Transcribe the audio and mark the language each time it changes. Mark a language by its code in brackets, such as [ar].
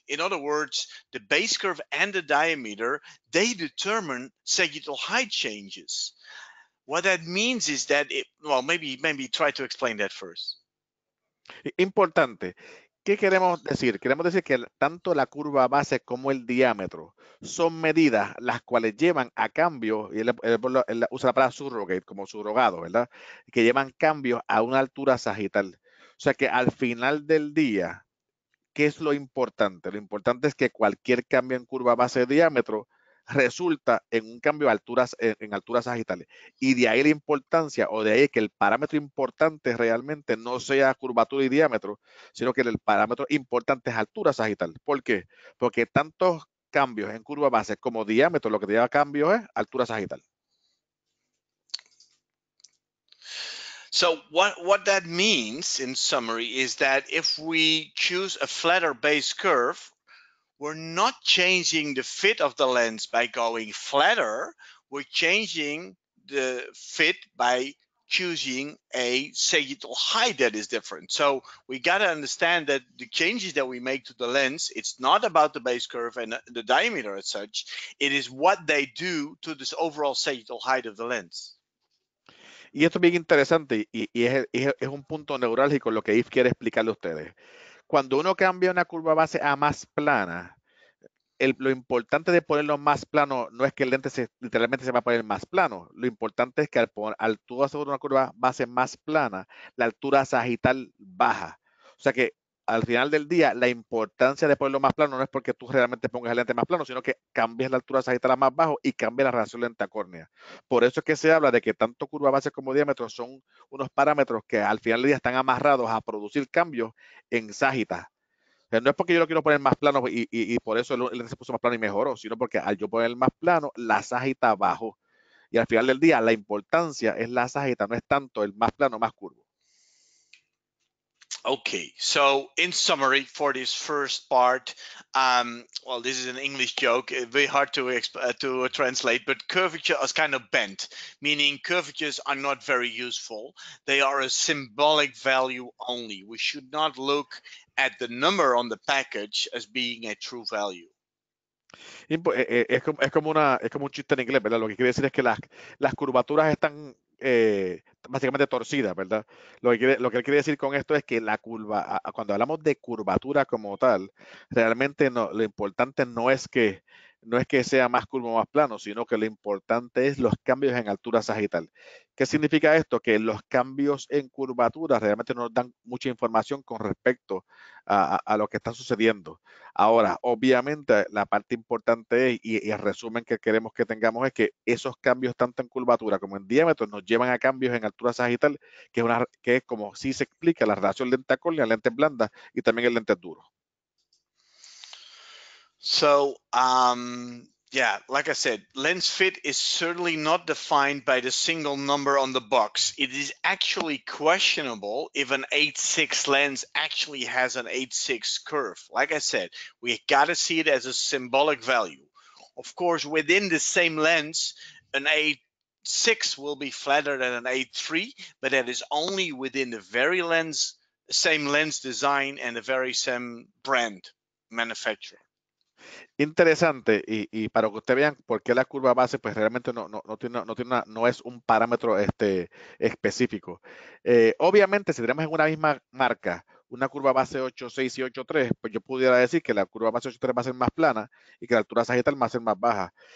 [en] In other words, the base curve and the diameter, they determine sagittal height changes. What that means is that, maybe try to explain that first. [es] Importante. ¿Qué queremos decir? Queremos decir que tanto la curva base como el diámetro son medidas las cuales llevan a cambio, y él usa la palabra surrogate, como surrogado, ¿verdad? Que llevan cambios a una altura sagital. O sea que al final del día, ¿qué es lo importante? Lo importante es que cualquier cambio en curva base de diámetro resulta en un cambio en alturas sagitales. Y de ahí la importancia, o de ahí que el parámetro importante realmente no sea curvatura y diámetro, sino que el parámetro importante es altura sagital. ¿Por qué? Porque tantos cambios en curva base como diámetro, lo que te lleva a cambios es altura sagital. [en] So what that means in summary is that if we choose a flatter base curve, we're not changing the fit of the lens by going flatter. We're changing the fit by choosing a sagittal height that is different. So we got to understand that the changes that we make to the lens, it's not about the base curve and the diameter as such. It is what they do to this overall sagittal height of the lens. [es] Y esto es bien interesante y es un punto neurálgico lo que Eef quiere explicarle a ustedes. Cuando uno cambia una curva base a más plana, lo importante de ponerlo más plano no es que el lente literalmente se va a poner más plano. Lo importante es que al tú hacer una curva base más plana, la altura sagital baja. O sea que al final del día, la importancia de ponerlo más plano no es porque tú realmente pongas el lente más plano, sino que cambias la altura sagital a más bajo y cambias la relación lente a córnea. Por eso es que se habla de que tanto curva base como diámetro son unos parámetros que al final del día están amarrados a producir cambios en sagita. O sea, no es porque yo lo quiero poner más plano y por eso el lente se puso más plano y mejoró, sino porque al yo poner el más plano, la sagita bajó. Y al final del día, la importancia es la sagita, no es tanto el más plano, más curvo. [en] Okay, so in summary for this first part, this is an English joke, it'd be hard to translate, but curvature is kind of bent, meaning curvatures are not very useful. They are a symbolic value only. We should not look at the number on the package as being a true value. [es] Es como un chiste en inglés, ¿verdad? Lo que quiere decir es que las curvaturas están básicamente torcidas, ¿verdad? Lo que quiere decir con esto es que la curva, cuando hablamos de curvatura como tal, realmente no, lo importante no es que sea más curvo o más plano, sino que lo importante es los cambios en altura sagital. ¿Qué significa esto? Que los cambios en curvatura realmente no nos dan mucha información con respecto a lo que está sucediendo. Ahora, obviamente, la parte importante es, y el resumen que queremos que tengamos es que esos cambios tanto en curvatura como en diámetro nos llevan a cambios en altura sagital, que es como si se explica la relación lente a córnea, lente blanda y también el lente duro. [en] So, like I said, lens fit is certainly not defined by the single number on the box. It is actually questionable if an 8-6 lens actually has an 8-6 curve. Like I said, we got to see it as a symbolic value. Of course, within the same lens, an 8-6 will be flatter than an 8-3, but that is only within the very lens, same lens design and the very same brand manufacturer. [es] Interesante y para que ustedes vean por qué la curva base pues realmente no es un parámetro específico. Obviamente si tenemos en una misma marca una curva base 8.6 y 8.3, pues yo pudiera decir que la curva base 8.3 va a ser más plana y que la altura sagital va a ser más baja.